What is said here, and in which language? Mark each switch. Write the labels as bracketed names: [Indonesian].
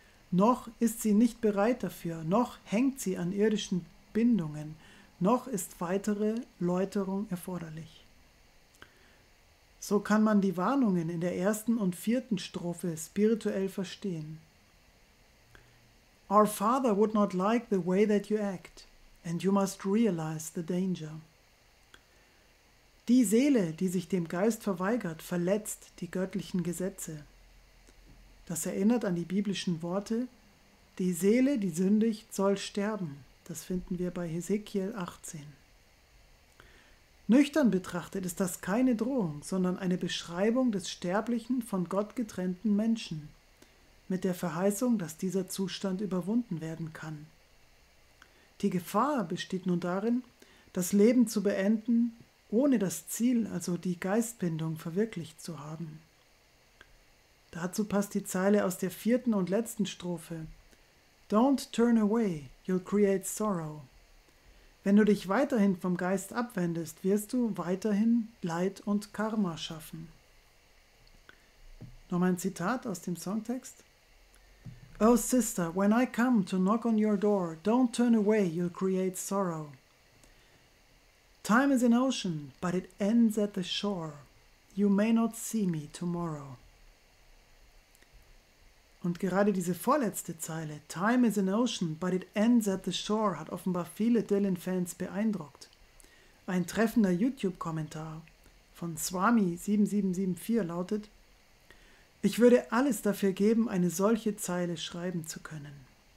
[German] Noch ist sie nicht bereit dafür, noch hängt sie an irdischen Bindungen, noch ist weitere Läuterung erforderlich. So kann man die Warnungen in der ersten und vierten Strophe spirituell verstehen. [English] Our father would not like the way that you act, and you must realize the danger. [German] Die Seele, die sich dem Geist verweigert, verletzt die göttlichen Gesetze. Das erinnert an die biblischen Worte: Die Seele, die sündigt, soll sterben. Das finden wir bei Hesekiel 18. Nüchtern betrachtet ist das keine Drohung, sondern eine Beschreibung des sterblichen, von Gott getrennten Menschen, mit der Verheißung, dass dieser Zustand überwunden werden kann. Die Gefahr besteht nun darin, das Leben zu beenden, ohne das Ziel, also die Geistbindung, verwirklicht zu haben. Dazu passt die Zeile aus der vierten und letzten Strophe. [English] Don't turn away, you'll create sorrow. [German] Wenn du dich weiterhin vom Geist abwendest, wirst du weiterhin Leid und Karma schaffen. Nochmal ein Zitat aus dem Songtext. [English] Oh sister, when I come to knock on your door, don't turn away, you'll create sorrow. Time is an ocean, but it ends at the shore. You may not see me tomorrow. [German] Und gerade diese vorletzte Zeile, [English] Time is an ocean, but it ends at the shore, [German] hat offenbar viele Dylan-Fans beeindruckt. Ein treffender YouTube-Kommentar von Swami7774 lautet: Ich würde alles dafür geben, eine solche Zeile schreiben zu können.